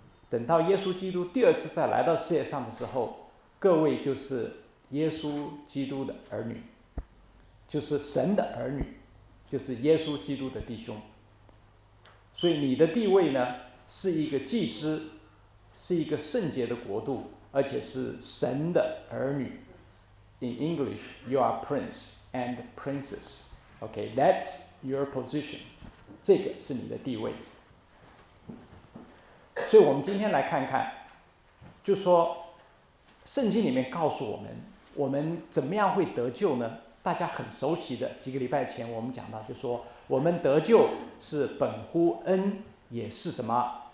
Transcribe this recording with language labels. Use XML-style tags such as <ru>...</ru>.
<zh>等到耶稣基督第二次再来到世界上的时候，各位就是耶稣基督的儿女，就是神的儿女，就是耶稣基督的弟兄。所以你的地位呢，是一个祭司，是一个圣洁的国度，而且是神的儿女。</zh> <en>In English, you are prince and princess. Okay, that's your position.</en> <zh>这个是你的地位。所以我们今天来看看，就说圣经里面告诉我们，我们怎么样会得救呢？大家很熟悉的，几个礼拜前我们讲到，就说我们得救是本乎恩，也是什么？</zh>